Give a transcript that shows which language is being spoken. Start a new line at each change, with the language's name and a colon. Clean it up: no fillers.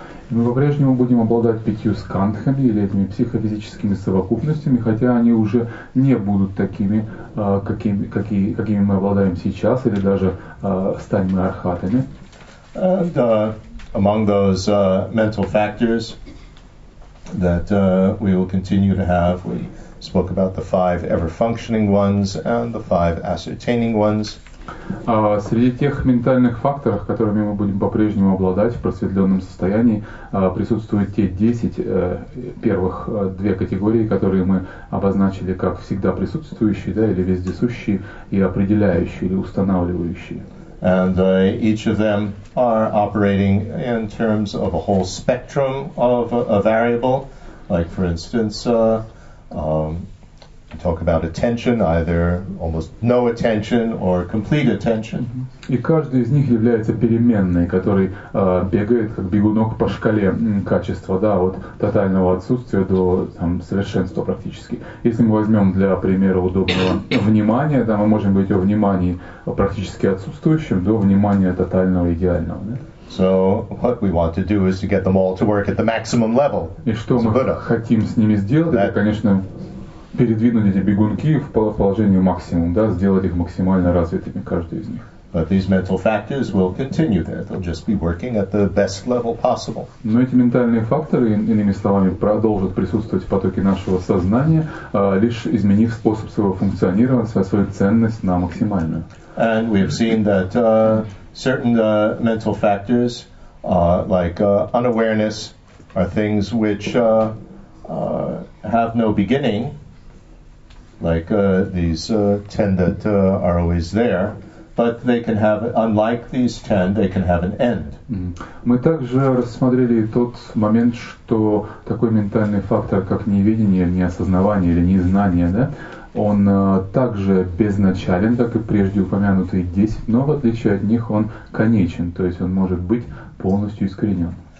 Russian: Мы по-прежнему будем обладать пятью скандхами или этими психофизическими совокупностями, хотя они уже не будут такими, какими мы обладаем сейчас, или даже станем мы архатами.
English: And among those mental factors that we will continue to have, we spoke about the five ever-functioning ones and the five ascertaining ones.
Russian: Среди тех ментальных факторов, которыми мы будем по-прежнему обладать в просветленном состоянии, присутствуют те 10 первых две категории, которые мы обозначили как всегда присутствующие, да, или вездесущие, и определяющие, или устанавливающие.
English: And each of them are operating in terms of a whole spectrum of a variable, like, for instance, talk about attention, either almost no attention or complete attention.
Russian: И каждый из них является переменной, который бегает как бегунок по шкале качества, да, от тотального отсутствия до там совершенства практически. Если мы возьмем для примера удобного внимания, да, мы можем быть о внимании практически отсутствующем до внимания тотального идеального, да.
English: So what we want to do is to get them all to work at the maximum level.
Russian: И что мы хотим с ними сделать? Это, конечно, передвинуть эти бегунки в положение максимум, да, сделать их максимально развитыми, каждый из них.
English: But these mental factors will continue there. They'll just be working at the best level possible.
Russian: Но эти ментальные факторы, иными словами, продолжат присутствовать в потоке нашего сознания, лишь изменив способ своего функционирования, свою ценность на максимальную.
English: And we've seen that certain mental factors, like unawareness, are things which have no beginning, like these 10 that are always there, but they can have, unlike these 10, they can have an end.
Russian: Мы также рассмотрели тот момент, что такой ментальный фактор, как невидение, неосознавание или незнание, да, он также безначален, как и прежде упомянутые 10, но в отличие от них он конечен, то есть он может быть полностью искоренен.